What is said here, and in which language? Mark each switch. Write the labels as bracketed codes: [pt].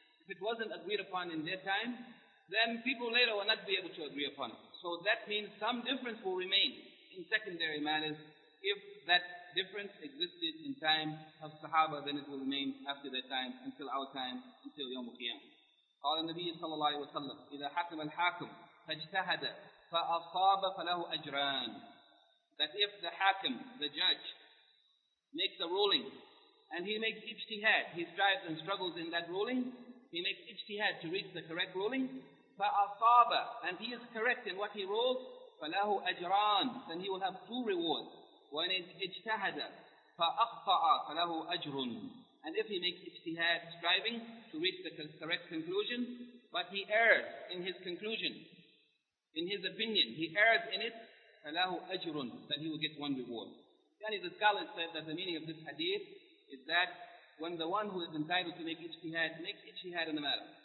[en] If it wasn't agreed upon in their time, then people later will not be able to agree upon it. So that means some difference will remain in secondary matters. If that difference existed in time of Sahaba, then it will remain after their time, until our time, until Yawm al-Qiyam. [ar] قال النبي صلى الله عليه وسلم إذا حكم الحاكم فاجتهد فأصاب فله أجران. [en] That if the hakim, the judge, makes a ruling, and he makes ijtihad, he strives and struggles in that ruling, he makes ijtihad to reach the correct ruling, فأصاب, and he is correct in what he rules, [ar] فله أجران, [en] then he will have two rewards. When it [ar] اجتهد فأخطأ فله أجر. [en] And if he makes ijtihad, striving to reach the correct conclusion, but he errs in his conclusion, in his opinion, he errs in it, [ar] فَلَهُ أَجْرٌ, [en] then he will get one reward. Yani the scholars said that the meaning of this hadith is that when the one who is entitled to make ijtihad, makes ijtihad in the matter.